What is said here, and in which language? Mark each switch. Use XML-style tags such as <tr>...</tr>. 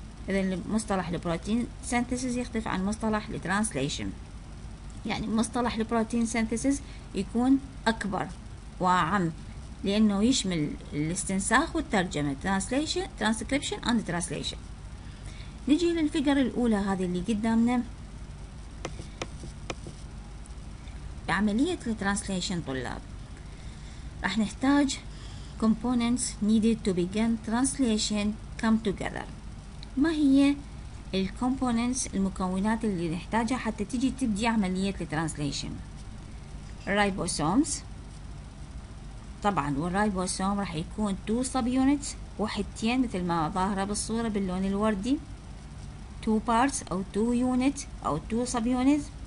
<ar>إذن مصطلح البروتين synthesis يختلف عن مصطلح الtranslation، يعني مصطلح البروتين synthesis يكون أكبر وأعم لأنه يشمل الاستنساخ والترجمة</ar> <en>translation, transcription and translation.</en> <ar>نجي للفقرة الأولى هذه اللي قدامنا. بعملية الترانسليشن طلاب راح نحتاج</ar> <en>components needed to begin translation come together.</en> <ar>ما هي الكومبوننتس المكونات اللي نحتاجها حتى تيجي تبدي عملية الترانسليشن؟ ribosomes طبعا، والرايبوسوم راح يكون 2 sub units وحدتين مثل ما ظاهرة بالصورة باللون الوردي، 2 parts أو 2 units أو 2 sub units.</ar>